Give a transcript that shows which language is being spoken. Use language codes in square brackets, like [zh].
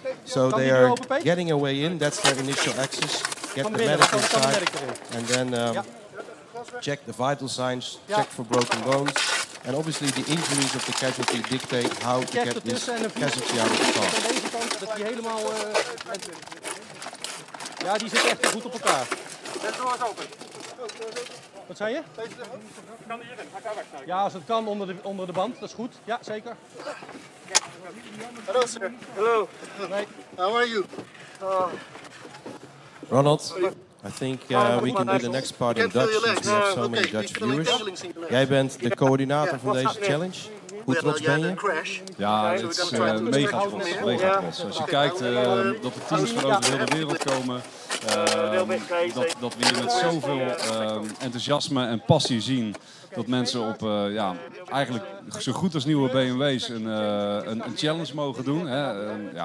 [en] So they are getting a way in. That's their initial access. Get the medic inside. And then check the vital signs. Check for broken bones. And obviously, the injuries of the casualty dictate how to get this casualty out of the car. [nl] Ja, die zit echt goed op elkaar. Zet de doors open. Wat zei je? Kan hierin, ga ik daar weg. Ja, als het kan onder de band, dat is goed. Ja, zeker. [en] Hallo sir. Hallo. How are you? Ronald. I think we can do the next part in Dutch, since we have so many Dutch viewers. [nl] Jij bent de coördinator van deze challenge. Hoe trots ben je? Ja, het is mega trots. Als je kijkt dat de teams van over de hele wereld komen, dat we hier met zoveel enthousiasme en passie zien, dat mensen op eigenlijk zo goed als nieuwe BMW's een challenge mogen doen. Hè.